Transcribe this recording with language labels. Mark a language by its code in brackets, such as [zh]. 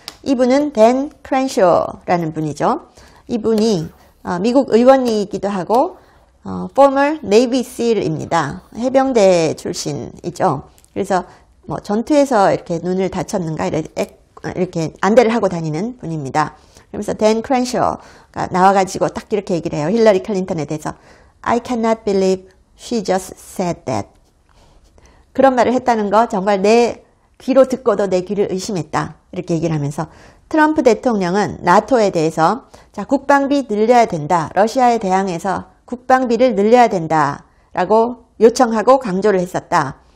[ko] 이분은 댄 크랜쇼라는 분이죠. 이분이 미국 의원이기도 하고 [en] former Navy SEAL [ko] 입니다. 해병대 출신이죠. 그래서 뭐 전투에서 이렇게 눈을 다쳤는가 이렇게 안대를 하고 다니는 분입니다. 그러면서 댄 크랜쇼가 나와가지고 딱 이렇게 얘기를 해요. 힐러리 클린턴에 대해서 [en] I cannot believe she just said that. [ko] 그런 말을 했다는 거 정말 내 귀로 듣고도 내 귀를 의심했다. 이렇게 얘기를 하면서 트럼프 대통령은 나토에 대해서 자, 국방비 늘려야 된다. 러시아에 대항해서 국방비를 늘려야 된다. 라고 요청하고 강조를 했었다.